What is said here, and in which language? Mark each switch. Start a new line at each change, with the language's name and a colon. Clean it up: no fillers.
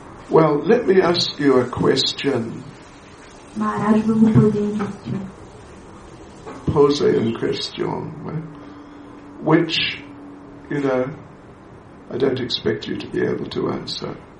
English: Well, let me ask you a question.
French: Maharaj, je vais vous poser une question. Poser une question,
English: which, you know, I don't expect you to be able to answer.